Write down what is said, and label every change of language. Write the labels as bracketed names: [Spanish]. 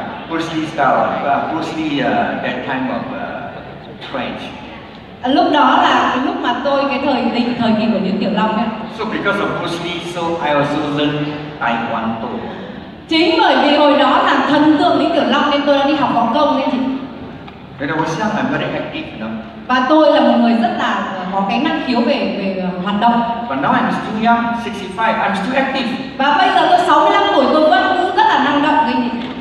[English] Bruce Lee style, Bruce Lee that time of trench. [Vietnamese] Lúc đó là cái lúc mà tôi cái thời kỳ của những tiểu long ấy. [English] So because of Bruce Lee, so I also learned Taekwondo. [Vietnamese] Chính bởi vì hồi đó là thần tượng những tiểu long nên tôi đã đi học võ công nên chị. [English] When I was young, I'm very active, you know. [Vietnamese] Và tôi là một người rất là có cái năng khiếu về hoạt động. [English] But now I'm still young, 65, I'm still active. [Vietnamese] Và bây giờ tôi 65 tuổi tôi vẫn cứ rất là năng động cái gì.